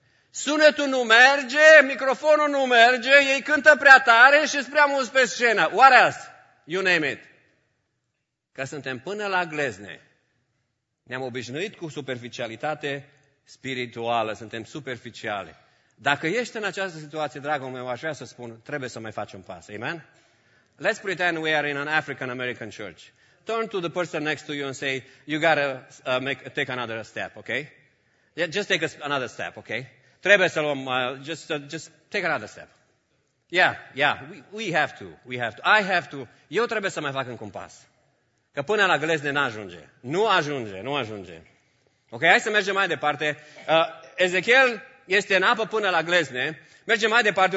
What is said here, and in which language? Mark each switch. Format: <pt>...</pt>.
<ro>Sunetul nu merge, microfonul nu merge, ei cântă prea tare și sunt prea mulți pe scenă.</ro> <en>What else? You name it.</en> <ro>Că suntem până la glezne. Ne-am obișnuit cu superficialitate spirituală, suntem superficiali. Dacă ești în această situație, dragul meu, aș vrea să spun, trebuie să mai faci un pas. Amen?</ro> <en>Let's pretend we are in an African-American church. Turn to the person next to you and say, you gotta take another step, okay? Yeah, just take another step, okay?</en> <ro>Trebuie să luăm,</ro> <en>just take another step. Yeah, yeah, we have to. I have to.</en> <ro>Eu trebuie să mai fac încă un pas. Că până la glezne n-ajunge. Nu ajunge. Ok, hai să mergem mai departe. Ezechiel este în apă până la glezne. Mergem mai departe.</ro>